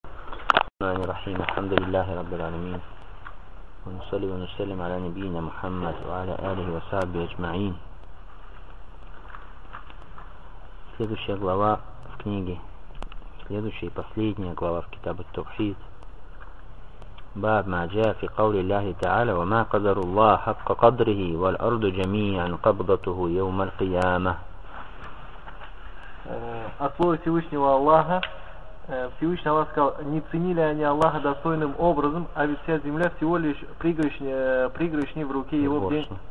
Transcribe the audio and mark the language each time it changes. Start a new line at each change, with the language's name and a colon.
Arabic: بسم الله الرحمن الرحيم، الحمد لله رب العالمين، ونصلي ونسلم على نبينا محمد وعلى آله وصحبه أجمعين.
Russian: следующая глава в книге следующая и последняя глава в Китабе Тухид.
Arabic: باب ما جاء في قول الله تعالى وما قدر الله حق قدره والأرض جميعا قبضته يوم القيامة. أصلوتي وشني والله
Russian: Всевышний Аллах сказал, не ценили они Аллаха достойным образом, а ведь вся земля всего лишь пригоршня в руке его в день